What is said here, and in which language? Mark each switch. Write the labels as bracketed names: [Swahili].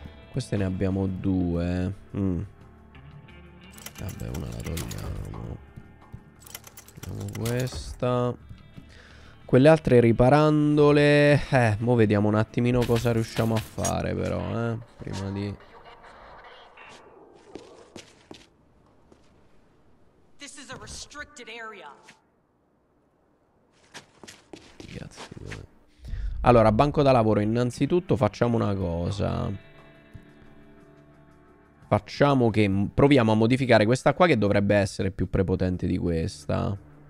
[Italian] Queste ne abbiamo due. Vabbè, una la togliamo. Togliamo questa. Quelle altre riparandole. Mo vediamo un attimino cosa riusciamo a fare però, prima di... [English] This is a restricted area. [Italian] Allora, banco da lavoro, innanzitutto facciamo una cosa. Facciamo che proviamo a modificare questa qua, che dovrebbe essere più prepotente di questa.